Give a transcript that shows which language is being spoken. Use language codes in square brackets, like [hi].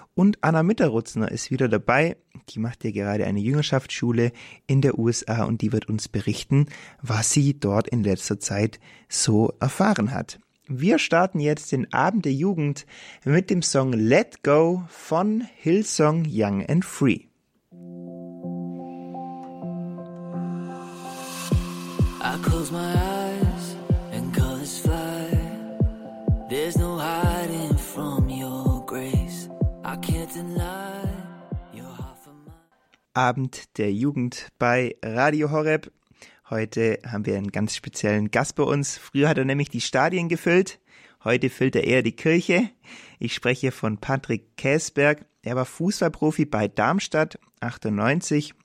[de] Und Anna Mitterrutzner ist wieder dabei, die macht ja gerade eine Jüngerschaftsschule in der USA und die wird uns berichten, was sie dort in letzter Zeit so erfahren hat. Wir starten jetzt den Abend der Jugend mit dem Song Let Go von Hillsong Young and Free. [en] I close my eyes and colors fly. There's no hiding from your grace. I can't deny your heart for mine. [de] Abend der Jugend bei Radio Horeb. Heute haben wir einen ganz speziellen Gast bei uns. Früher hat er nämlich die Stadien gefüllt. Heute füllt er eher die Kirche. Ich spreche von Patrick Käsberg. Er war Fußballprofi bei Darmstadt 98.